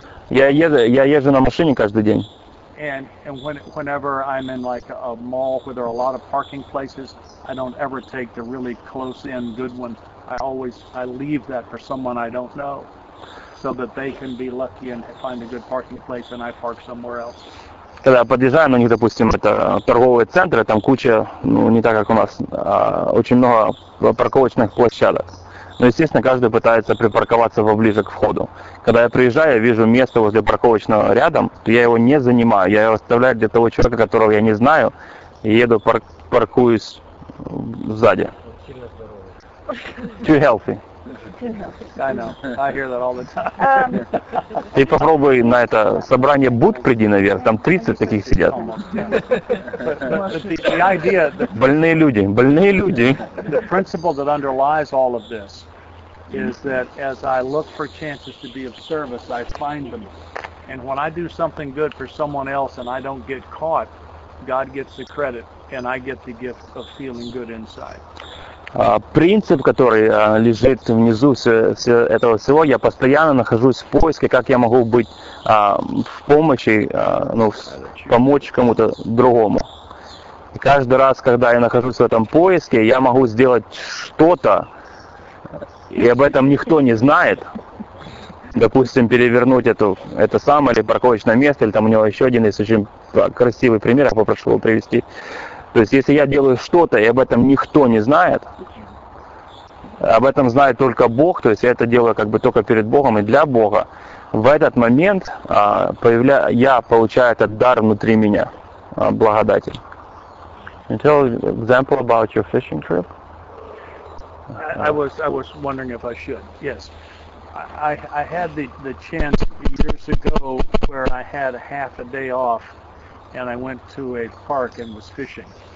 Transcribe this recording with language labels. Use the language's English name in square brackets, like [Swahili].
[Russian] Я езжу на машине каждый день. [English] And whenever I'm in like a mall where there are a lot of parking places, I don't ever take the really close in good one. I leave that for someone I don't know, so that they can be lucky and find a good parking place, and I park somewhere else. [Russian] Когда подъезжаю, ну, допустим, это торговые центры, там куча, ну, не так как у нас, очень много парковочных площадок. Но, естественно, каждый пытается припарковаться поближе к входу. Когда я приезжаю, я вижу место возле парковочного рядом, то я его не занимаю. Я его оставляю для того человека, которого я не знаю, и еду, паркуюсь сзади. [English] Too healthy. I know. I hear that all the time. [Russian] Ты попробуй на это собрание Буд приди наверх, там 30 таких сидят. Больные люди, больные люди. [English] The principle that underlies all of this is that as I look for chances to be of service, I find them. And when I do something good for someone else and I don't get caught, God gets the credit and I get the gift of feeling good inside. [Russian] Принцип, который лежит внизу этого всего, я постоянно нахожусь в поиске, как я могу быть в помощи, ну, помочь кому-то другому. И каждый раз, когда я нахожусь в этом поиске, я могу сделать что-то, и об этом никто не знает. Допустим, перевернуть это самое, или парковочное место, или там у него еще один есть очень красивый пример, я попрошу его привести. То есть, если я делаю что-то, и об этом никто не знает, об этом знает только Бог, то есть я это делаю как бы только перед Богом и для Бога, в этот момент я получаю этот дар внутри меня, благодати. [English] Can you tell an example about your fishing trip? I was wondering if I should, yes. I had the chance years ago where I had half a day off, and I went to a park and was fishing.